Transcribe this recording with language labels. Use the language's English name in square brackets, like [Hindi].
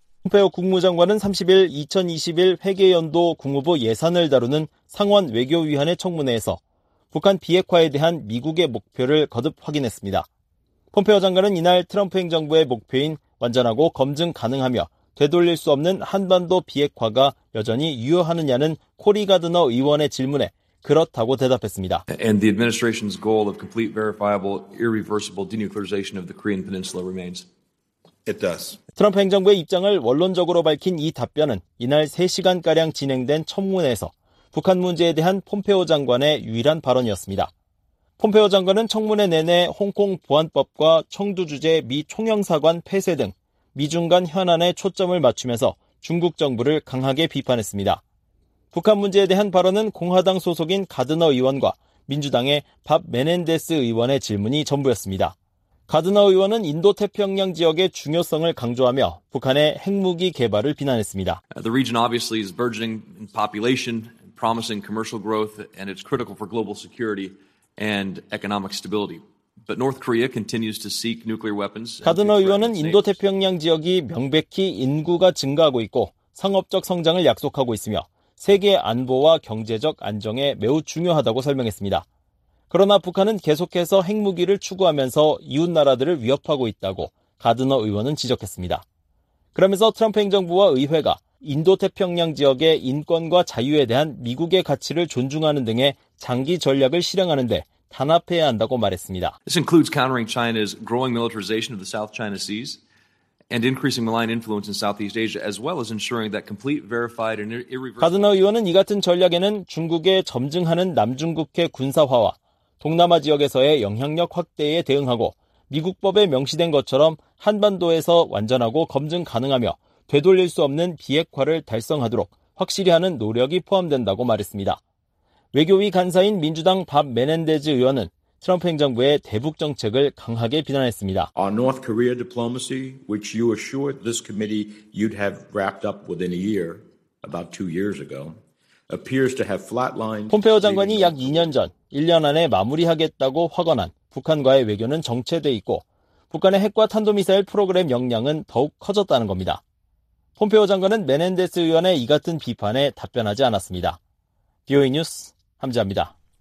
[Korean] 폼페오 국무장관은 30일 2021 회계연도 국무부 예산을 다루는 상원 외교위원회 청문회에서 북한 비핵화에 대한 미국의 목표를 거듭 확인했습니다. 폼페오 장관은 이날 트럼프 행정부의 목표인 완전하고 검증 가능하며 되돌릴 수 없는 한반도 비핵화가 여전히 유효하느냐는 코리 가드너 의원의 질문에 그렇다고 대답했습니다. [English] And the administration's goal of complete, verifiable, irreversible denuclearization of the Korean Peninsula remains. It does. [Korean] 트럼프 행정부의 입장을 원론적으로 밝힌 이 답변은 이날 3시간가량 진행된 청문회에서 북한 문제에 대한 폼페오 장관의 유일한 발언이었습니다. 폼페오 장관은 청문회 내내 홍콩 보안법과 청두 주재 미 총영사관 폐쇄 등 미중 간 현안에 초점을 맞추면서 중국 정부를 강하게 비판했습니다. 북한 문제에 대한 발언은 공화당 소속인 가드너 의원과 민주당의 밥 메넨데스 의원의 질문이 전부였습니다. 가드너 의원은 인도태평양 지역의 중요성을 강조하며 북한의 핵무기 개발을 비난했습니다. [English] The region obviously is burgeoning in population, promising commercial growth, and it's critical for global security and economic stability. But North Korea continues to seek nuclear weapons. [Korean] 가드너 의원은 인도태평양 지역이 명백히 인구가 증가하고 있고 상업적 성장을 약속하고 있으며 세계 안보와 경제적 안정에 매우 중요하다고 설명했습니다. 그러나 북한은 계속해서 핵무기를 추구하면서 이웃나라들을 위협하고 있다고 가드너 의원은 지적했습니다. 그러면서 트럼프 행정부와 의회가 인도태평양 지역의 인권과 자유에 대한 미국의 가치를 존중하는 등의 장기 전략을 실행하는 데 단합해야 한다고 말했습니다. [English] This includes countering China's growing militarization of the South China Seas and increasing malign influence in Southeast Asia as well as ensuring that complete verified and irreversible. [Korean] 가드너 의원은 이 같은 전략에는 중국의 점증하는 남중국해 군사화와 동남아 지역에서의 영향력 확대에 대응하고 미국법에 명시된 것처럼 한반도에서 완전하고 검증 가능하며 되돌릴 수 없는 비핵화를 달성하도록 확실히 하는 노력이 포함된다고 말했습니다. 외교위 간사인 민주당 밥 메넨데즈 의원은 트럼프 행정부의 대북 정책을 강하게 비난했습니다. [English] Our North Korea diplomacy, which you assured this committee you'd have wrapped up within a year, about two years ago, appears to have flatlined. [Korean] 폼페오 장관이 약 2년 전, 1년 안에 마무리하겠다고 확언한 북한과의 외교는 정체돼 있고 북한의 핵과 탄도미사일 프로그램 역량은 더욱 커졌다는 겁니다. 폼페오 장관은 메넨데스 의원의 이 같은 비판에 답변하지 않았습니다. VOA 뉴스 함지합니다.